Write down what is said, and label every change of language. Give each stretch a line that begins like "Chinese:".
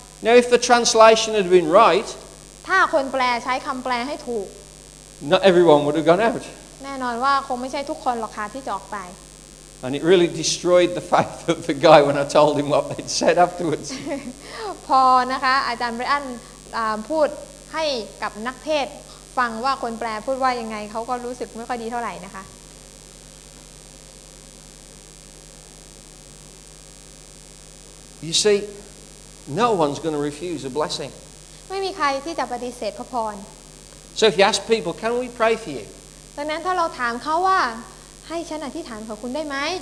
English: Now, if the translation had been right,
Thai: ถ้าคนแปลใช้คำแปลให้ถูก
English: Not everyone would have gone out.
Thai: แน่นอนว่าคงไม่ใช่ทุกคนหรอกค่ะที่จะออกไป
English: And it really destroyed the faith of the guy when I told him what they'd said afterwards
Thai: พอนะคะอาจารย์ไบรอันพูดให้กับนักเทศฟังว่าคนแปลพูดว่ายังไงเขาก็รู้สึกไม่ค่อยดีเท่าไหร่นะคะ
English: You see no one's going to refuse a blessing
Thai: ไม่มีใครที่จะปฏิเสธพระพร
English: So if you ask people can we pray for you
Thai: ดังนั้นถ้าเราถามเขาว่าให้ฉันอธิษฐานขอคุณได้ไหม